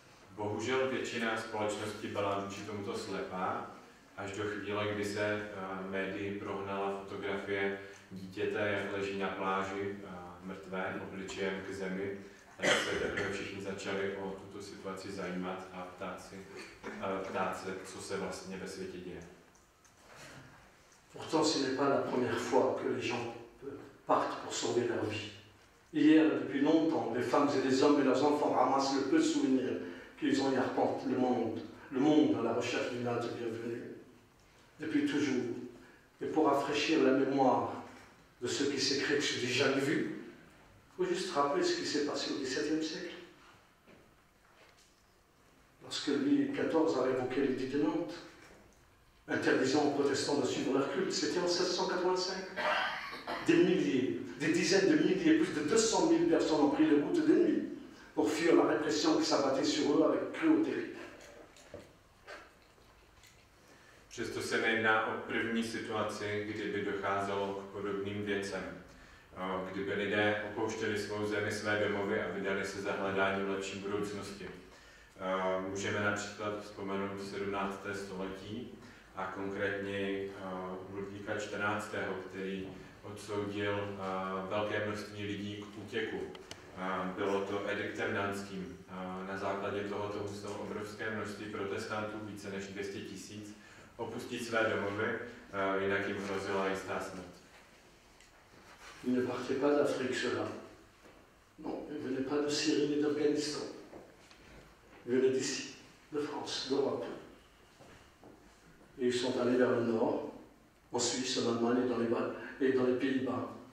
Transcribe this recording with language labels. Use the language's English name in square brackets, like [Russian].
[Czech] Bohužel většina společnosti byla vůči tomuto slepá, až do chvíle, kdy se médii prohnala fotografie dítěte, jak leží na pláži mrtvé, obličejem k zemi, tak se teprve všichni začali o tuto situaci zajímat a ptát se, co se vlastně ve světě děje. [French] Pourtant, ce n'est pas la première fois que les gens partent pour sauver leur vie. Hier, depuis longtemps, des femmes et des hommes et leurs enfants ramassent le peu de souvenirs qu'ils ont et arpentent le monde à la recherche d'une autre bienvenue. Depuis toujours, et pour rafraîchir la mémoire de ceux qui s'écrivent sur des jamais vus, il faut juste rappeler ce qui s'est passé au XVIIe siècle. Lorsque Louis XIV a révoqué l'édit de Nantes, interdisant aux protestants de suivre leur culte, c'était en 1685. Des milliers, des dizaines de milliers, plus de 200 000 personnes ont pris les routes de nuit pour fuir la répression qui s'abattait sur eux avec cruauté. [Czech] Přesto se nejedná o první situaci, kdyby docházelo k podobným věcem. Kdyby lidé opouštěli svou zemi, své domovy a vydali se za hledání lepší budoucnosti. Můžeme například vzpomenout 17. století a konkrétně Ludvíka 14., který odsoudil velké množství lidí k útěku. Bylo to ediktem Nantským. Na základě tohoto muselo obrovské množství protestantů, více než 200 000, opustit své domovy, jinak jim hrozila jistá smrt. [French] Ils ne partaient pas d'Afrique, ceux-là. Non, ils ne venaient pas de Syrie ni d'Afghanistan. Ils venaient d'ici, de France, d'Europe. Et ils sont allés vers le nord, en Suisse, en Allemagne et dans les Pays-Bas.